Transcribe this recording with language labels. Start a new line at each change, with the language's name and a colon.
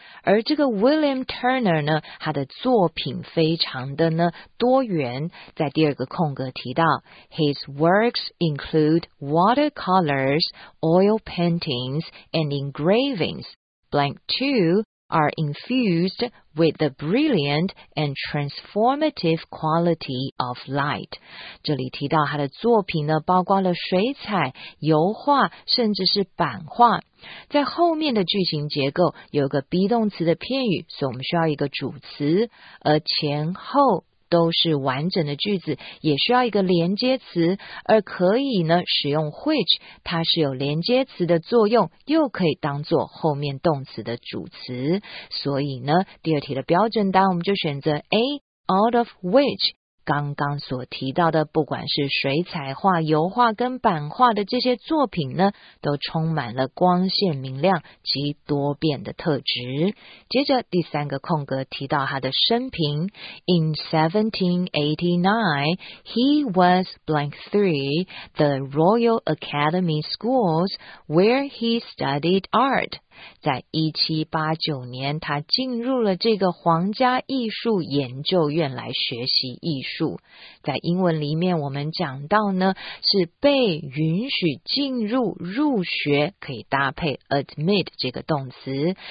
Chinese: 而这个 William Turner 呢，他的作品非常的呢多元，在第二个空格提到
English: His works include watercolors, oil paintings, and engravings. Blank 2 are infused with the brilliant and transformative quality of light.
Chinese: 这里提到他的作品呢，包括了水彩、油画，甚至是版画。在后面的句型结构有个 be 动词的片语，所以我们需要一个主词，而前后都是完整的句子，也需要一个连接词，而可以呢使用 which， 它是有连接词的作用，又可以当作后面动词的主词。所以呢，第二题的标准答案我们就选择 A， out of which。刚刚所提到的，不管是水彩画、油画跟版画的这些作品呢，都充满了光线明亮及多变的特质。接着第三个空格提到他的生平 ，
English: In 1789, he was blank three the Royal Academy Schools where he studied art.
Chinese: 在1789年，他进入了这个皇家艺术研究院来学习艺术。在英文里面，我们讲到呢，是被允许进入、入学，可以搭配 admit 这个动词。